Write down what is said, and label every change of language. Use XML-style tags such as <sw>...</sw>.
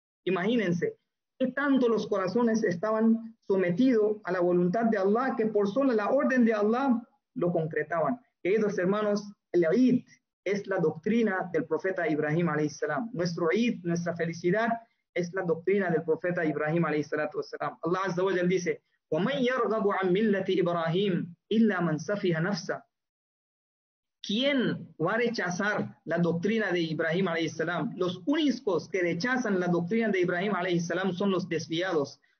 <es>Imagínense, qué tanto los corazones estaban sometidos a la voluntad de Allah, que por solo la orden de Allah lo concretaban. Queridos hermanos, el Eid es la doctrina del profeta Ibrahim a.s. Nuestro Eid, nuestra felicidad, es la doctrina del profeta Ibrahim a.s. Allah Azza wa Jal dice,</es> <ar>وَمَنْ يَرْغَبُ عَنْ مِلَّةِ إِبْرَاهِيمِ إِلَّا مَنْ سَفِيهَ نَفْسَ.</ar> <es>¿Quién va a rechazar la doctrina de Ibrahim a.s.? Los únicos que rechazan la doctrina de Ibrahim a.s. son los desviados.</es>